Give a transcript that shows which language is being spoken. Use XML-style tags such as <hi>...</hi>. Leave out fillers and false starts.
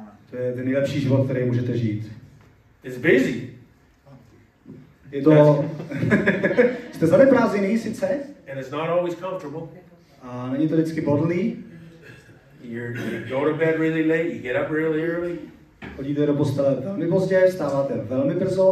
<cs>To je ten nejlepší život, který můžete žít.</cs> <en>It's busy.</en> <cs>Je to... Jste zaneprázdněný sice.</cs> <en>And it's not always comfortable.</en> <cs>A není to vždycky bodlý.</cs> <en>You go to bed really late, you get up really early.</en> <cs>Chodíte do postele velmi pozdě, vstáváte velmi brzo.</cs>